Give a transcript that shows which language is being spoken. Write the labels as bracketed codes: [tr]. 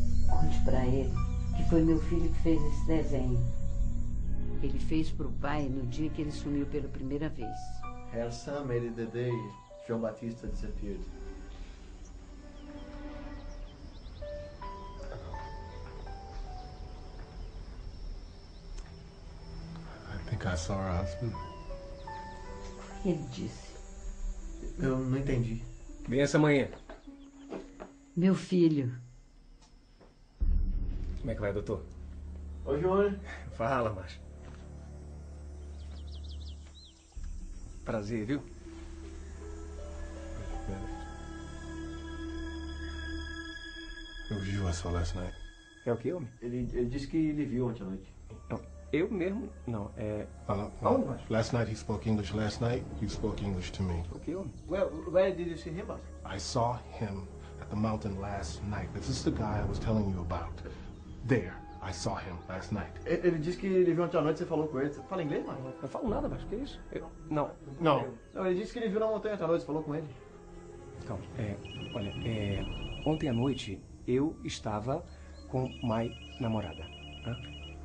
[pt] Conte para ele que foi meu filho que fez esse desenho. Ele fez para o pai no dia que ele sumiu pela primeira vez. [en] Her son made it the day João Batista disappeared. I think I saw her husband. [pt] Ele disse. Eu não entendi. Vem essa manhã. Meu filho. Como é que vai, doutor? Oi, João. Fala, macho. Prazer, viu? Eu vi você [en] last night. [pt] É o que, homem? Ele disse que lhe viu ontem à noite. Eu mesmo? Não, é... [en] Last night he spoke English. Last night you spoke English to me. Okay, where did you see him at? I saw him at the mountain last night. This is the guy I was telling you about. There, I saw him last night. [pt] Ele disse que ele viu ontem à noite, você falou com ele. Você fala inglês, mano? Eu falo nada, mas o que é isso? Não. Não. Não, ele disse que ele viu na montanha ontem à noite, você falou com ele. Então, olha, ontem à noite eu estava com [en] my [pt] namorada, hã?